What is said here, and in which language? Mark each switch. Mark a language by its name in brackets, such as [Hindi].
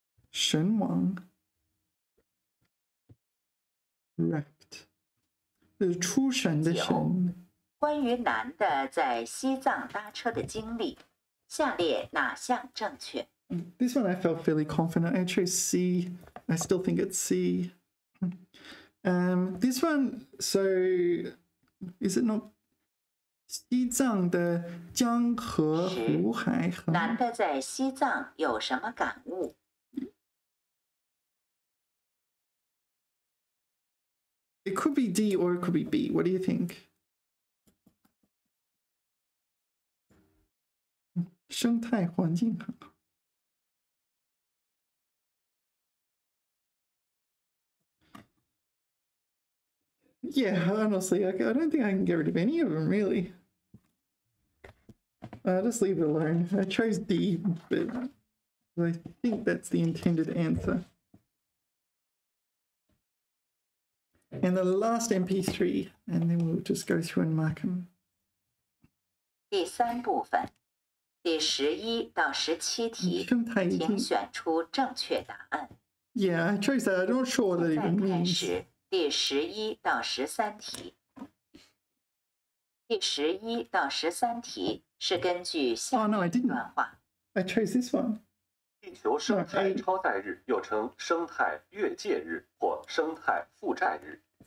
[English] 玄王。Wrapped. The true tradition. [Chinese] 关于男的在西藏搭车的经历，下列哪项正确？ [English] This one I felt fairly confident. I chose C. I still think it's C. This one, so is it not? [Chinese] 西藏的江河湖海河。男的在西藏有什么感悟？ [English] It could be D or it could be B. What do you think? [Chinese] 生态环境很好。 [English] Yeah, honestly, I don't think I can get rid of any of them, really. I'll just leave it alone. I chose D, but I think that's the intended answer. And the last MP3, and then we'll just go through and mark them. [Chinese] 第三部分，第十一到十七题，请选出正确答案。 [English] Yeah, I chose that. I'm not sure what that even means. [Chinese] 现在开始第十一到十三题。第十一到十三题是根据下面一段话。 [English] I chose this one. [Chinese] 地球生态超载日，又称生态越界日或生态负债日。